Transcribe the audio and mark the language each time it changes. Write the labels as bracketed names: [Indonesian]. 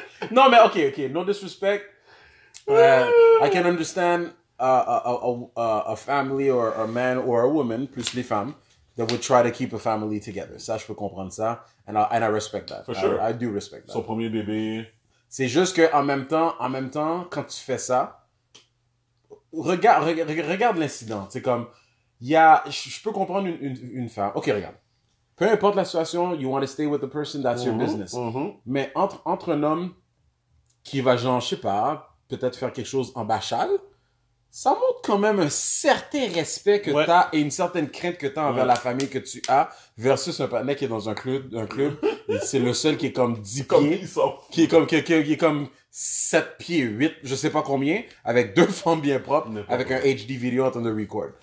[English] Non, mais ok, no disrespect. I can understand a family or a man or a woman, [French] plus les femmes, [English] that would try to keep a family together. [French] Ça, je peux comprendre ça. [English] And I respect that. For sure. I do respect that. [French] Son premier bébé. C'est juste que en même temps, quand tu fais ça, regarde l'incident. C'est comme, je peux comprendre une femme. Ok, regarde. Peu importe la situation, [English] you want to stay with the person, that's your business. Mm-hmm. [French] Mais entre un homme qui va, genre, je sais pas, peut-être faire quelque chose en bachal, ça montre quand même un certain respect que t'as et une certaine crainte que t'as envers la famille que tu as versus un partenaire qui est dans un club. Et c'est le seul qui est comme 10 pieds. Qui est comme quelqu'un qui est comme 7 pieds, 8, je sais pas combien, avec deux femmes bien propres, avec un HD vidéo en train de record.